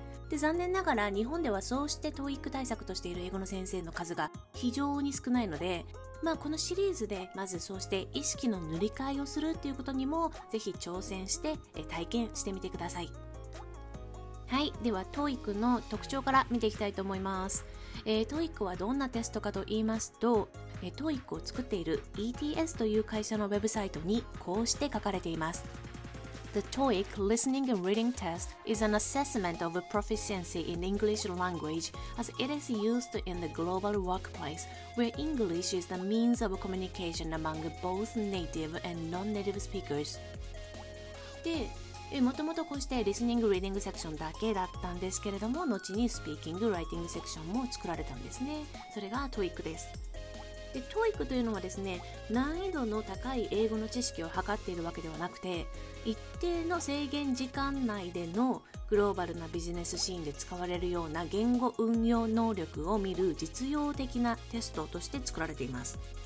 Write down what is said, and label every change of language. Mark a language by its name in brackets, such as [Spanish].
[Japanese] で、残念ながら日本ではそうして TOEIC 対策としている英語の先生の数が非常に少ないので、このシリーズでまずそうして意識の塗り替えをするっていうことにもぜひ挑戦して体験してみてください。はい、では TOEIC の特徴から見ていきたいと思います。 TOEIC はどんなテストかと言いますと、TOEIC を作っている ETS という会社のウェブサイトにこうして書かれています。 [English] The TOEIC Listening and Reading Test is an assessment of proficiency in English language as it is used in the global workplace where English is the means of communication among both native and non-native speakers. [Japanese] で、もともとこうしてリスニング・リーディングセクションだけだったんですけれども、後にスピーキング・ライティングセクションも作られたんですね。それが TOEIC です。で、TOEIC というのはですね、難易度の高い英語の知識を測っているわけではなくて、一定の制限時間内でのグローバルなビジネスシーンで使われるような言語運用能力を見る実用的なテストとして作られています。